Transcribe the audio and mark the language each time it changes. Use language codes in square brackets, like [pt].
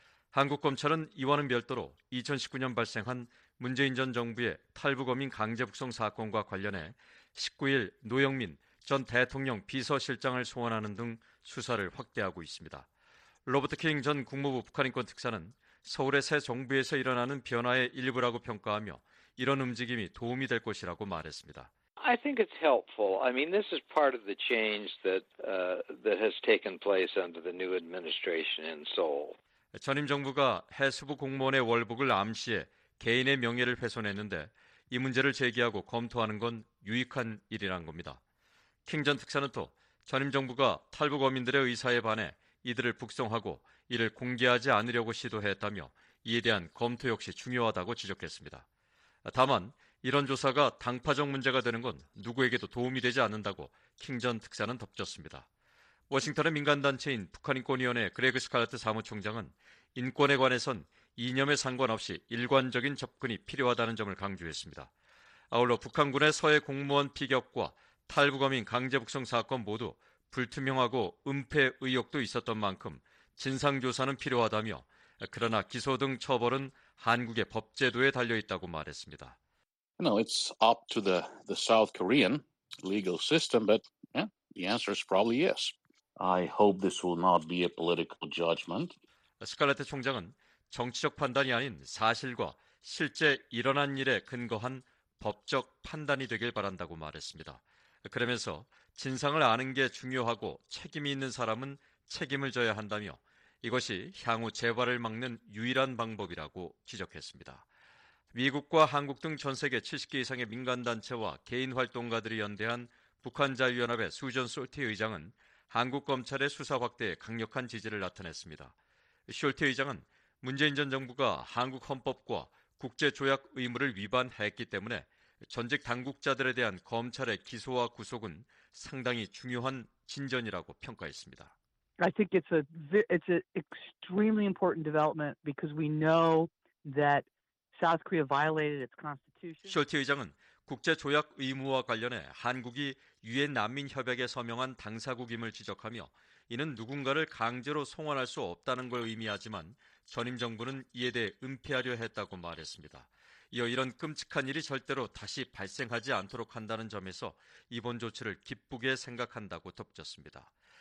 [ko] 한국검찰은 이와는 별도로 2019년 발생한 문재인 전 정부의 탈북어민 강제북송 사건과 관련해 19일 노영민 전 대통령 비서실장을 소환하는 등 수사를 확대하고 있습니다. 로버트 킹 전 국무부 북한인권특사는 서울의 새 정부에서 일어나는 변화의 일부라고 평가하며 이런 움직임이 도움이 될 것이라고 말했습니다. [en] I think it's helpful. I mean, this is part of the change that has taken place under the new administration in Seoul. [ko] 전임 정부가 해수부 공무원의 월북을 암시해 개인의 명예를 훼손했는데 이 문제를 제기하고 검토하는 건 유익한 일이란 겁니다. 킹 전 특사는 또 전임 정부가 탈북 어민들의 의사에 반해 이들을 북송하고 이를 공개하지 않으려고 시도했다며 이에 대한 검토 역시 중요하다고 지적했습니다. 다만 이런 조사가 당파적 문제가 되는 건 누구에게도 도움이 되지 않는다고 킹 전 특사는 덧붙였습니다. 워싱턴의 민간단체인 북한인권위원회 그레그 스칼라트 사무총장은 인권에 관해선 이념에 상관없이 일관적인 접근이 필요하다는 점을 강조했습니다. 아울러 북한군의 서해 공무원 피격과 탈북어민 강제북송 사건 모두 불투명하고 은폐 의혹도 있었던 만큼 진상조사는 필요하다며 그러나 기소 등 처벌은 한국의 법제도에 달려있다고 말했습니다. [en] No, it's up to the South Korean legal system, but the answer is probably yes. I hope this will not be a political judgment. [ko] 스칼레트 총장은 정치적 판단이 아닌 사실과 실제 일어난 일에 근거한 법적 판단이 되길 바란다고 말했습니다. 그러면서 진상을 아는 게 중요하고 책임이 있는 사람은 책임을 져야 한다며 이것이 향후 재발을 막는 유일한 방법이라고 지적했습니다. 미국과 한국 등 전 세계 70개 이상의 민간단체와 개인활동가들이 연대한 북한자유연합의 수전 솔티 의장은 한국 검찰의 수사 확대에 강력한 지지를 나타냈습니다. 솔티 의장은 문재인 전 정부가 한국 헌법과 국제조약 의무를 위반했기 때문에 전직 당국자들에 대한 검찰의 기소와 구속은 상당히 중요한 진전이라고 평가했습니다. [en] I think it's an extremely important development because we know that South Korea violated its constitution. [ko] 숄티 의장은 국제조약 의무와 관련해 한국이 유엔 난민협약에 서명한 당사국임을 지적하며 이는 누군가를 강제로 송환할 수 없다는 걸 의미하지만 전임 정부는 이에 대해 은폐하려 했다고 말했습니다. 이어 이런 끔찍한 일이 절대로 다시 발생하지 않도록 한다는 점에서 이번 조치를 기쁘게 생각한다고 덧붙였습니다.